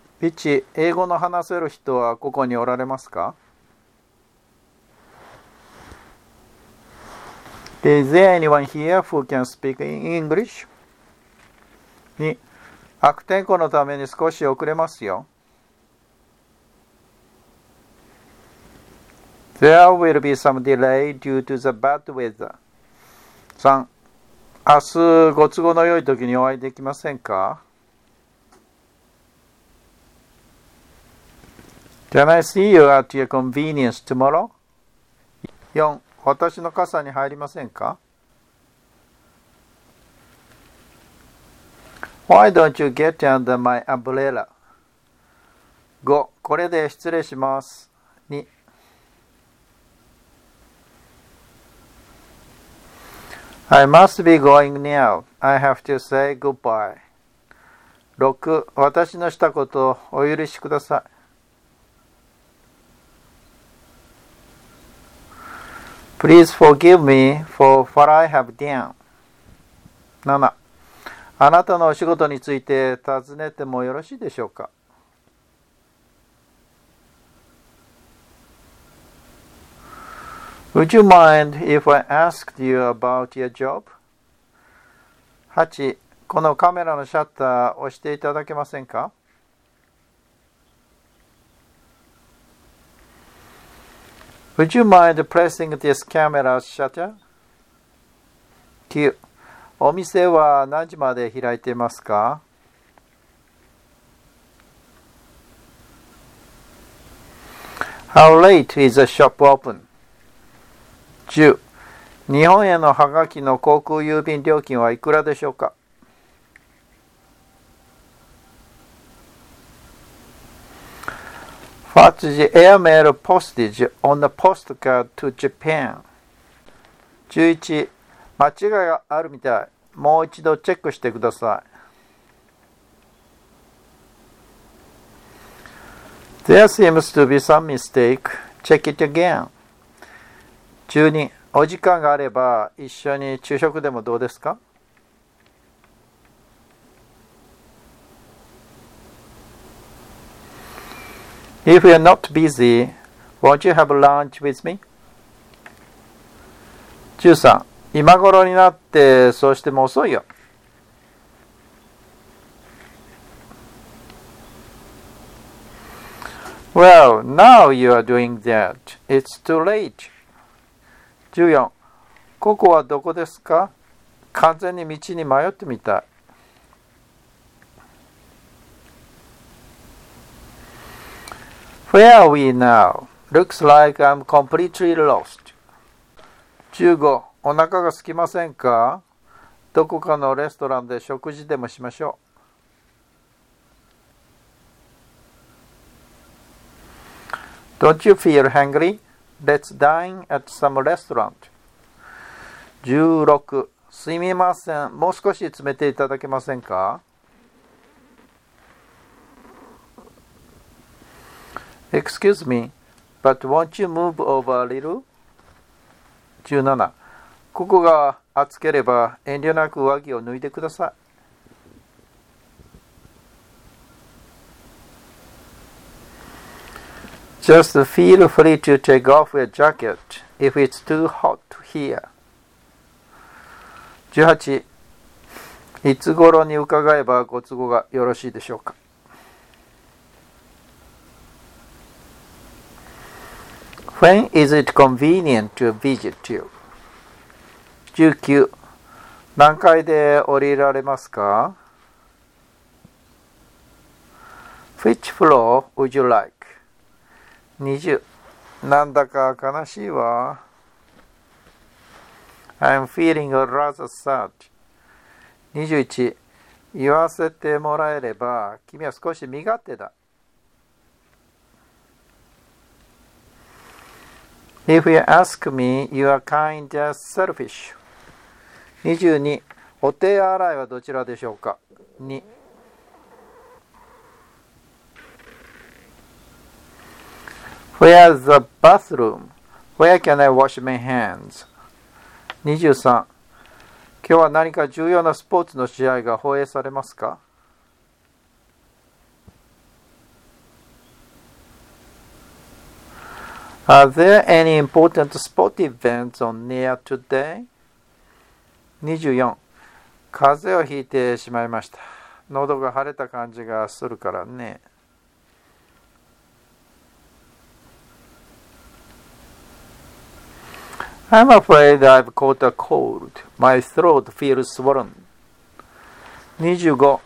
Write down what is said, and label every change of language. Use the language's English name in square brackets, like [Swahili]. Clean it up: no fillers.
[Japanese] ピッチ、英語の話せる人はここにおられますか？ [English] Is there anyone here who can speak in English? [Japanese] に、悪天候のために少し遅れますよ。 [English] There will be some delay due to the bad weather. [Japanese] 3、明日ご都合の良い時にお会いできませんか？ [English] Can I see you at your convenience tomorrow? [Japanese] 4、私の傘に入りませんか？ [English] Why don't you get under my umbrella? [Japanese] 5、これで失礼します。 [English] I must be going now. I have to say goodbye. 6. [Japanese] 私のしたことをお許しください。 [English] Please forgive me for what I have done. 7. [Japanese] あなたのお仕事について尋ねてもよろしいでしょうか？ [English] Would you mind if I asked you about your job? 8. [Japanese] このカメラのシャッターを押していただけませんか？ [English] Would you mind pressing this camera shutter? 9. [Japanese] お店は何時まで開いていますか？ [English] How late is the shop open? 10. [Japanese] 日本へのハガキの航空郵便料金はいくらでしょうか？ [English] What's the airmail postage on a postcard to Japan? [Japanese] 11. 間違いがあるみたい。もう一度チェックしてください。 [English] There seems to be some mistake. Check it again. 12. [Japanese] お時間があれば一緒に昼食でもどうですか？ [English] If you're not busy, won't you have lunch with me? 13. [Japanese] 今頃になってそうしても遅いよ。 [English] Well, now you are doing that. It's too late. 14. [Japanese] ここはどこですか？完全に道に迷ってみたい。 [English] Where are we now? Looks like I'm completely lost. [Japanese] 15. お腹が空きませんか？どこかのレストランで食事でもしましょう。 [English] Don't you feel hungry? Let's dine at some restaurant. 16. [Japanese] すみません。もう少し詰めていただけませんか？ [English] Excuse me, but won't you move over a little? 17. [Japanese] ここが暑ければ遠慮なく上着を脱いでください。 [English] Just feel free to take off your jacket if it's too hot here. 18. [Japanese] いつ頃に伺えばご都合がよろしいでしょうか？ [English] When is it convenient to visit you? 19. [Japanese] 何階で降りられますか？ [English] Which floor would you like? 20. [Japanese] なんだか悲しいわ。 [English] I'm feeling rather sad. 21. [Japanese] 言わせてもらえれば、君は少し身勝手だ。 [English] If you ask me, you are kind of selfish. 22. [Japanese] お手洗いはどちらでしょうか？ 2. [English] Where's the bathroom? Where can I wash my hands? 23. [Japanese] 今日は何か重要なスポーツの試合が放映されますか？ [English] Are there any important sport events on near today? 24. [Japanese] 風邪をひいてしまいました。喉が腫れた感じがするからね。 [English] I'm afraid I've caught a cold. My throat feels swollen. 25.